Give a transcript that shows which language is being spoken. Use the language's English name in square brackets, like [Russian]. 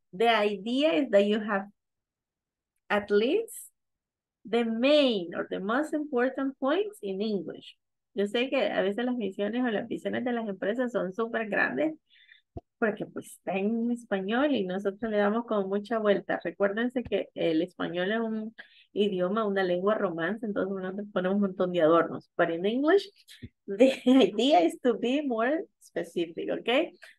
[English] The idea is that you have at least the main or the most important points in English. [Spanish] Yo sé que a veces las misiones o las visiones de las empresas son súper grandes porque pues está en español y nosotros le damos como mucha vuelta. Recuérdense que el español es un idioma, una lengua romance, entonces uno le pone un montón de adornos. [English] But in English, the idea is to be more specific, okay?